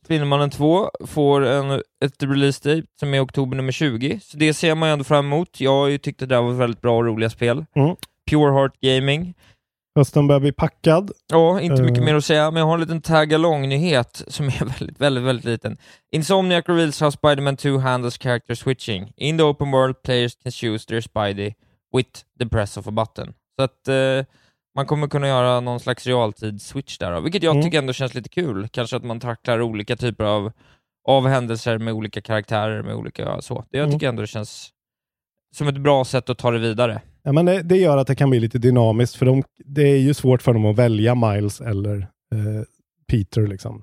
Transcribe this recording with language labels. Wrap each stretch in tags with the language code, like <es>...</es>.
<sv>Spindelmannen 2 får ett release date som är oktober nummer 20. Så det ser man ju ändå fram emot. Jag har ju tyckt att det där var ett väldigt bra och roliga spel. Mm.</sv> <en>Pure Heart Gaming.</en> <sv>Hösten börjar bli packad. Ja, inte mycket mer att säga. Men jag har en liten tag-along-nyhet som är väldigt, väldigt, väldigt liten.</sv> <en>Insomniac reveals how Spider-Man 2 handles character switching. In the open world, players can choose their Spidey with the press of a button.</en> <sv>Så att man kommer kunna göra någon slags realtid-switch där. Vilket jag tycker ändå känns lite kul. Kanske att man tacklar olika typer av händelser med olika karaktärer. Med olika så. Det jag tycker ändå känns som ett bra sätt att ta det vidare. Ja, men det gör att det kan bli lite dynamiskt, för det är ju svårt för dem att välja Miles eller Peter liksom.</sv>